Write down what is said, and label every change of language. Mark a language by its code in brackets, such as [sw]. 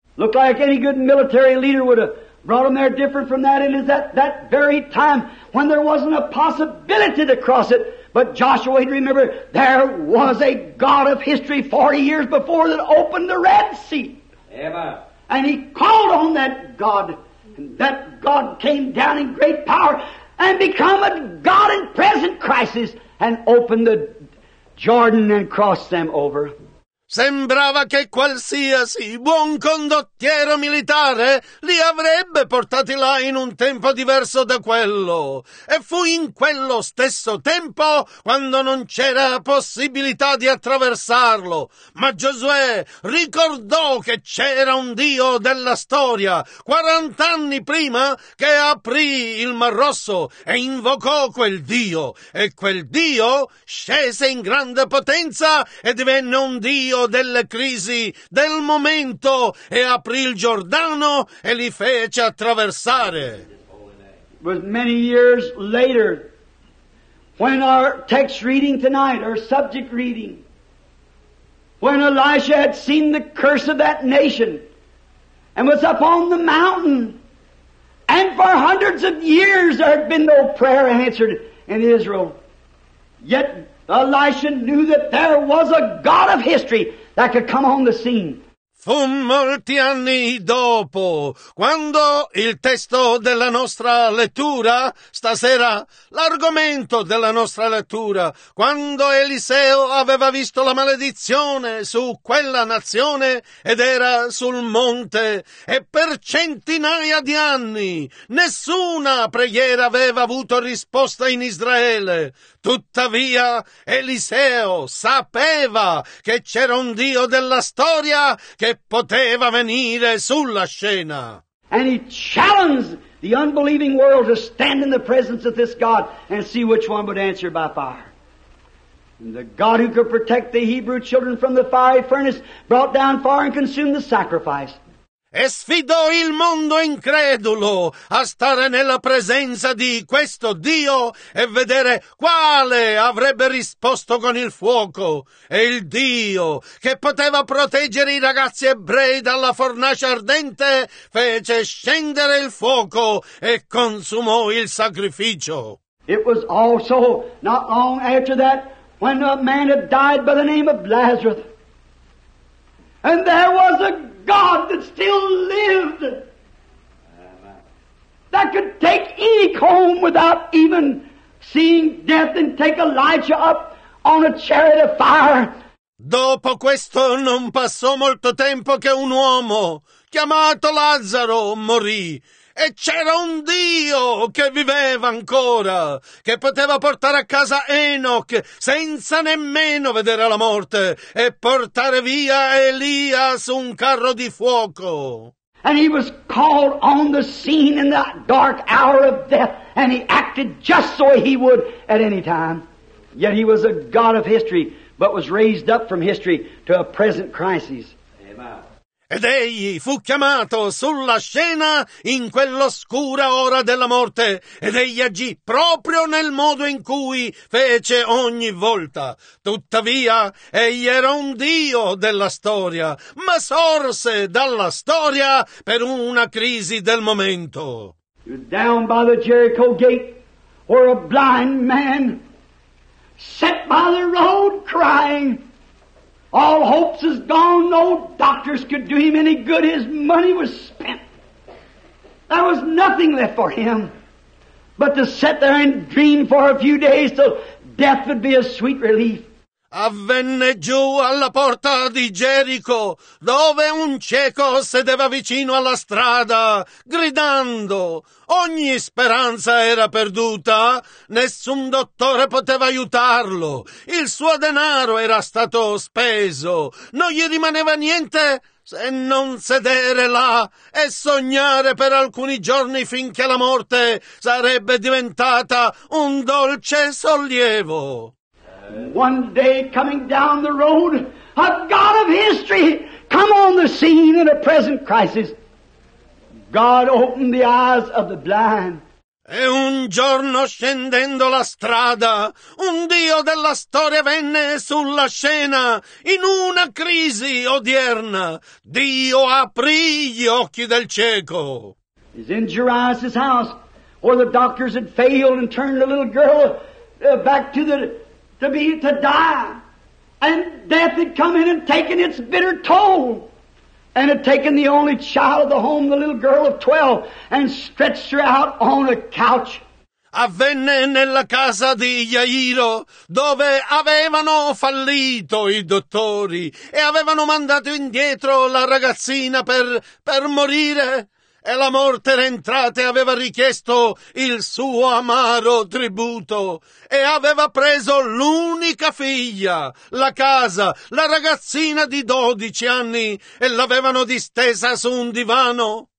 [en] Looked like any good military leader would have brought them there different from that. It is at that very time when there wasn't a possibility to cross it. But Joshua, he'd remember, there was a God of history 40 years before that opened the Red Sea. Amen. And he called on that God and that God came down in great power and become a God in present crisis and opened the Jordan and crossed them over. [it] Sembrava che qualsiasi buon condottiero militare li avrebbe portati là in un tempo diverso da quello. E fu in quello stesso tempo quando non c'era possibilità di attraversarlo. Ma Giosuè ricordò che c'era un Dio della storia, 40 anni prima che aprì il Mar Rosso e invocò quel Dio. E quel Dio scese in grande potenza e divenne un Dio delle crisi del momento e aprì il Giordano e li fece attraversare. [en] Was many years later when our text reading tonight, our subject reading, when Elisha had seen the curse of that nation and was up on the mountain, and for hundreds of years there had been no prayer answered in Israel, yet Elisha knew that there was a God of history that could come on the scene. [it] Fu molti anni dopo, quando il testo della nostra lettura, stasera l'argomento della nostra lettura, quando Eliseo aveva visto la maledizione su quella nazione ed era sul monte, e per centinaia di anni nessuna preghiera aveva avuto risposta in Israele. Tuttavia Eliseo sapeva che c'era un Dio della storia che poteva venire sulla scena. [en] And he challenged the unbelieving world to stand in the presence of this God and see which one would answer by fire. And the God who could protect the Hebrew children from the fiery furnace brought down fire and consumed the sacrifice. [it] E sfidò il mondo incredulo a stare nella presenza di questo Dio e vedere quale avrebbe risposto con il fuoco. E il Dio che poteva proteggere i ragazzi ebrei dalla fornace ardente fece scendere il fuoco e consumò il sacrificio. [en] It was also not long after that when a man had died by the name of Lazarus. And there was a God that still lived, that could take Enoch home without even seeing death and take Elijah up on a chariot of fire. [it] Dopo questo non passò molto tempo che un uomo chiamato Lazzaro morì. E c'era un Dio che viveva ancora, che poteva portare a casa Enoch senza nemmeno vedere la morte e portare via Elia su un carro di fuoco. [en] And he was called on the scene in that dark hour of death, and he acted just so he would at any time. Yet he was a God of history, but was raised up from history to a present crisis. [it] Ed egli fu chiamato sulla scena in quell'oscura ora della morte, ed egli agì proprio nel modo in cui fece ogni volta. Tuttavia, egli era un Dio della storia, ma sorse dalla storia per una crisi del momento. [en] Down by the Jericho gate, where a blind man sat by the road crying. All hopes is gone, no doctors could do him any good, his money was spent. There was nothing left for him but to sit there and dream for a few days till death would be a sweet relief. [it] Avvenne giù alla porta di Gerico, dove un cieco sedeva vicino alla strada, gridando. Ogni speranza era perduta, nessun dottore poteva aiutarlo, il suo denaro era stato speso, non gli rimaneva niente se non sedere là e sognare per alcuni giorni finché la morte sarebbe diventata un dolce sollievo. [en] One day, coming down the road, a God of history come on the scene in a present crisis. God opened the eyes of the blind. [it] E un giorno, scendendo la strada, un Dio della storia venne sulla scena in una crisi odierna. Dio aprì gli occhi del cieco. [en] He's in Jairus' house, where the doctors had failed and turned the little girl back to the... to be to die, and death had come in and taken its bitter toll. and have taken the only child of the home, the little girl of 12, and stretched her out on a couch. [it] Avvenne nella casa di Jairo, dove avevano fallito i dottori e avevano mandato indietro la ragazzina per morire. E la morte era entrata e aveva richiesto il suo amaro tributo e aveva preso l'unica figlia, la casa, la ragazzina di 12 anni e l'avevano distesa su un divano.